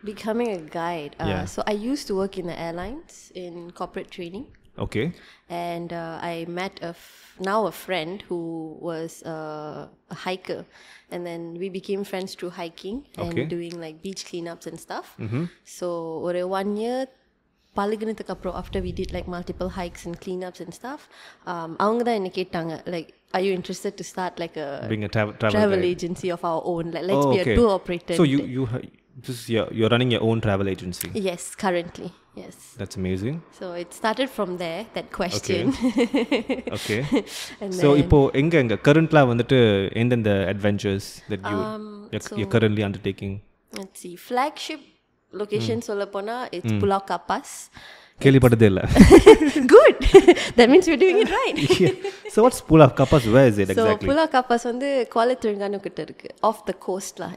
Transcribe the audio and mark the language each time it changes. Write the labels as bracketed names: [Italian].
[English] Becoming a guide. Yeah. So, I used to work in the airlines in corporate training. Okay. And I met a friend who was a hiker. And then we became friends through hiking and doing like beach cleanups and stuff. So, over 1 year, [Tamil] பழகுனதுக்கு அப்புறம், [English] after we did like multiple hikes and cleanups and stuff, [Tamil] அவங்க தான் என்ன கேட்டாங்க, [English] Like, are you interested to start like travel agency of our own, like let's be a tour operator. So you're running your own travel agency? Yes, currently. Yes. That's amazing. So it started from there, that question. Okay. And so [Tamil] ipo enga enga current la vandu [English] end in the adventures that you're currently undertaking? Let's see, flagship location [Tamil] சொல்ல போனா [English] It's Pulau Kapas. [Tamil] கேள்விப்பட்டதே இல்ல. [English] Good, that means you doing it right. So what's Pulau Kapas, where is it exactly? So [Tamil] புலா கப்பாஸ் வந்து Kuala Terengganu கிட்ட இருக்கு, [English] off the coast [Tamil] law.